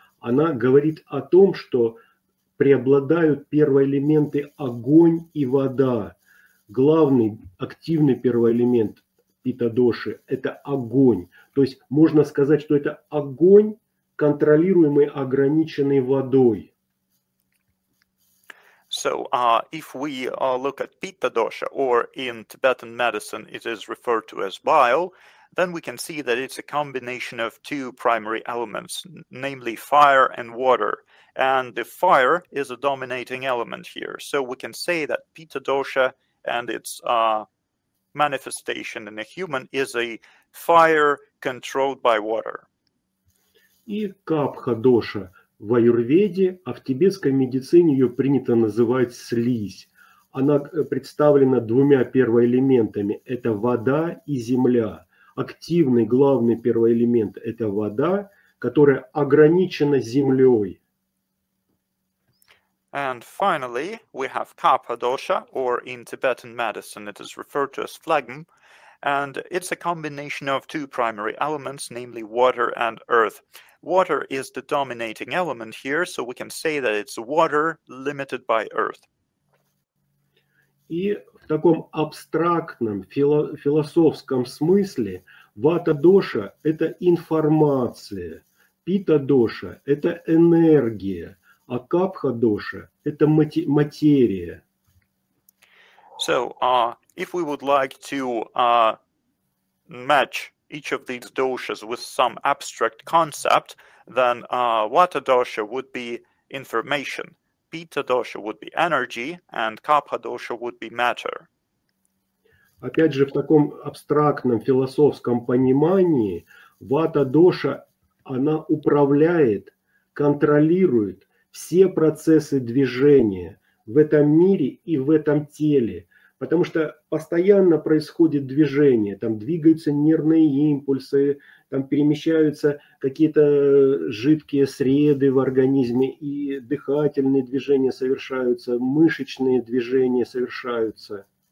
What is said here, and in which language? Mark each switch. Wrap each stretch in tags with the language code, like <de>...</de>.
<ru>Она говорит о том, что преобладают первые элементы огонь и вода. Главный активный первый элемент пита доши – это огонь. То есть можно сказать, что это огонь, контролируемый, ограниченный водой.</ru> <en>So, if we look at Pitta dosha, or in Tibetan medicine it is referred to as bile, then we can see that it's a combination of two primary elements, namely fire and water. And the fire is a dominating element here. So we can say that Pitta dosha and its manifestation in a human is a fire controlled by water.</en> <ru>И капха доша. В аюрведе, а в тибетской медицине ее принято называть слизь. Она представлена двумя первоэлементами. Это вода и земля. Активный главный первоэлемент – это вода, которая ограничена землей.</ru> <en>And finally, we have kapha dosha, or in Tibetan medicine it is referred to as phlegm. And it's a combination of two primary elements, namely water and earth. Water is the dominating element here, so we can say that it's water limited by earth.</en> <ru>И в таком абстрактном философском смысле вата доша – это информация, пита доша – это энергия, а капха доша – это материя.</ru> <en>So, if we would like to match each of these doshas with some abstract concept, then vata dosha would be information, pitta dosha would be energy, and kapha dosha would be matter.</en> <ru>Опять же, в таком абстрактном философском понимании вата доша, она управляет, контролирует все процессы движения в этом мире и в этом теле. Потому что постоянно происходит движение, там двигаются нервные импульсы, там перемещаются какие-то жидкие среды в организме, и дыхательные движения совершаются, мышечные движения совершаются.</ru>